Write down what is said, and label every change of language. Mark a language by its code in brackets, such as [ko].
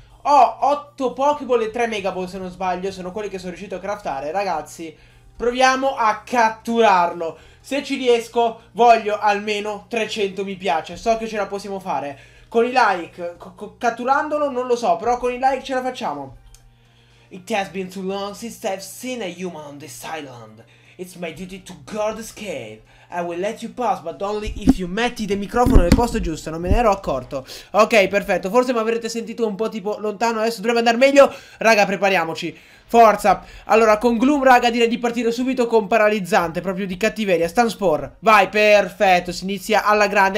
[it] Ho 8 Pokéball e 3 Megaball, se non sbaglio, sono quelli che sono riuscito a craftare. Ragazzi, proviamo a catturarlo. Se ci riesco, voglio almeno 300 mi piace. So che ce la possiamo fare. Con i like, catturandolo non lo so, però con i like ce la facciamo. [en] It has been too long since I've seen a human on this island. It's my duty to guard the scale. I will let you pass, but only if you [it] metti il microfono nel posto giusto. Non me ne ero accorto. Ok, perfetto. Forse mi avrete sentito un po' tipo lontano. Adesso dovrebbe andare meglio. Raga, prepariamoci. Forza. Allora, con Gloom, raga, direi di partire subito con Paralizzante. Proprio di cattiveria. Stun Spore. Vai, perfetto. Si inizia alla grande.